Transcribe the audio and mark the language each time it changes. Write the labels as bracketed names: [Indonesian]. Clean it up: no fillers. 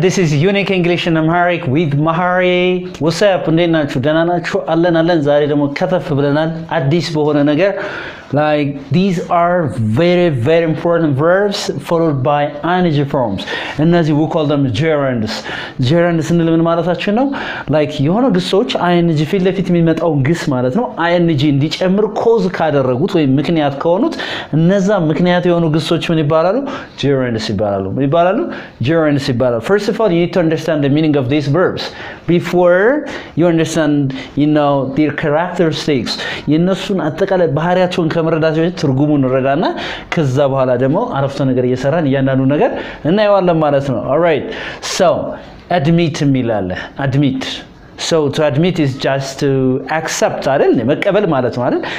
[English] This is Unique English and Amharic with Mahari. What's up? [Amharic] እንዴት ናችሁ? ደህና ናችሁ? አለን አለን። ዛሬ ደግሞ ከተፍ ብለናል አዲስ በሆነ ነገር [English] like these are very very important verbs followed by ing forms and we call them gerunds. [Amharic] Gerunds እንል ምን ማለታችን ነው? Like የሆነ ግሶች ing ፊት ለፊት የሚመጣው ግስ ማለት ነው። ing እንዲጨምር cause ካደረጉት ወይ ምክንያት ከሆኑት እነዛ ምክንያት የሆኑ ግሶች ምን ይባላሉ? Gerunds ይባላሉ። ምን ይባላሉ? [English] Gerunds [Amharic] ይባላሉ። [English] First of all, you need to understand the meaning of these verbs before you understand, you know, their characteristics. [Amharic] የነሱን አጠቃላይ ባህሪያት ቱን ከመረዳት ትርጉሙን እንረዳና ከዛ በኋላ ደግሞ አረፍተ ነገር እየሰራን ያንዳኑ ነገር እናየዋለን ማለት ነው። ኦልራይት ሶ አድሚት ሚላለ አድሚት [English] so to admit is just to accept [Amharic] አይደል? መቀበል ማለት ነው አይደል?